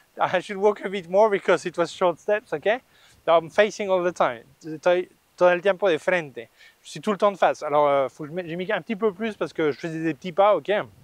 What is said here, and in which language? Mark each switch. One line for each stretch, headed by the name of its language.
English: I should walk a bit more because it was short steps, okay? I'm facing all the time.
Spanish: Estoy todo el tiempo de frente.
French: Je suis tout le temps de face. Alors, j'ai mis un petit peu plus parce que je faisais des petits pas, okay?